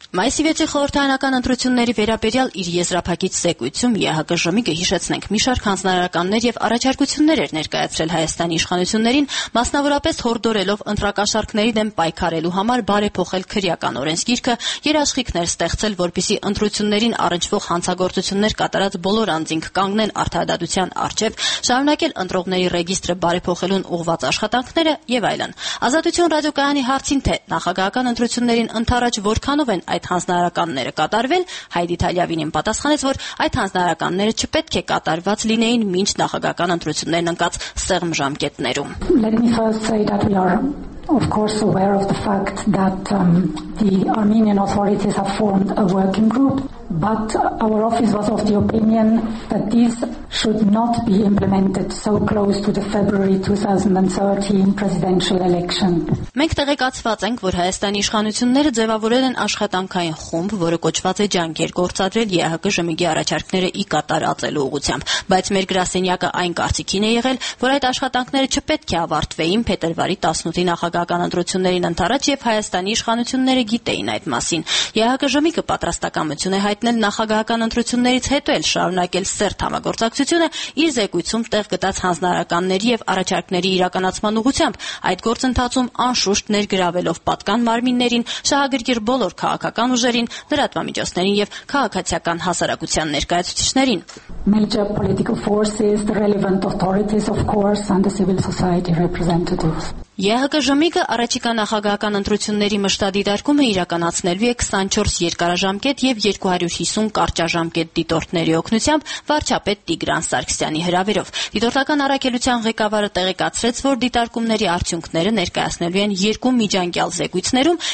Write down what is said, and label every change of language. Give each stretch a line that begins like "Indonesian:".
Armenian: Մայիսի 6-ի խորհրդարանական ընտրությունների վերաբերյալ իր եզրափակիչ զեկույցում ԵՀԿ ժմիկը, հիշեցնենք, մի շարք հանձնարարականներ եւ առաջարկություններ էր ներկայացրել Հայաստանի իշխանություններին, մասնավորապես հորդորելով ընտրակաշարքների դեմ պայքարելու համար բարեփոխել քրեական օրենսգիրքը, երաշխիքներ ստեղծել, որպեսզի ընտրություններին առնչվող հանցագործություններ կատարած բոլոր անձինք կանգնեն արդարադատության առջև, շարունակել ընտրողների ռեգիստրը բարեփոխելուն ուղղված աշխատանքները եւ այլն։ Ազատություն ռադիոկայանի հարցին, թե նախագահական ընտրություններին ընդառաջ որքանով են այդ հանձնարարականները կատարվել, Հայդի Թալիավինին պատասխանեց, որ այդ հանձնարարականները չպետք է կատարված լինեին մինչ նախագահական ընտրություններն ընկած սեղմ ժամկետներում։
English: Let me first say that we are of course aware of the fact that the Armenian authorities have formed a working group, but our office was of the opinion that this should not be implemented so close to the February 2013 presidential election.
Armenian: Մենք տեղեկացված ենք, որ Հայաստանի իշխանությունները ձևավորել են աշխատանքային խումբ, որը կոչված է ջանքեր գործադրել ԵՀԿ ժմիկի առաջարկները ի կատարածելու ուղղությամբ, բայց մեր գրասենյակը այն կարծիքին է եղել, որ այդ աշխատանքները չպետք է ավարտվեին փետրվարի 18-ի նախագահական ընտրություններին ընդառաջ, եւ Հայաստանի իշխանությունները գիտեին այդ մասին։ ԵՀԿ ժմիկը պատրաստակամություն է հայտնել նախագահական ընտրություններից հետո էլ շարունակել սերտ համագործակցությունը իր զեկույցում տեղ գտած հանձնարարականների եւ առաջարկների իրականացման ուղղությամբ, այդ գործընթացում անշուշտ ներգրավելով պատկան մարմիններին, շահագրգիռ բոլոր քաղաքական ուժերին, լրատվամիջոցներին եւ քաղաքացիական հասարակության ներկայացուցիչներին։
English: Major political forces, the relevant authorities of course, and the civil society representatives.
Armenian: ԵՀԿ ժմիկը առաջիկա նախագահական ընտրությունների մշտադիտարկումը իրականացնելու է 24 երկարաժամկետ եւ 250 կարճաժամկետ դիտորդների օգնությամբ, վարչապետ Տիգրան Սարգսյանի հրավերով։ Դիտորդական առաքելության ղեկավարը տեղեկացրեց, որ դիտարկումների արդյունքները ներկայացնելու են երկու միջանկյալ զեկույցներում,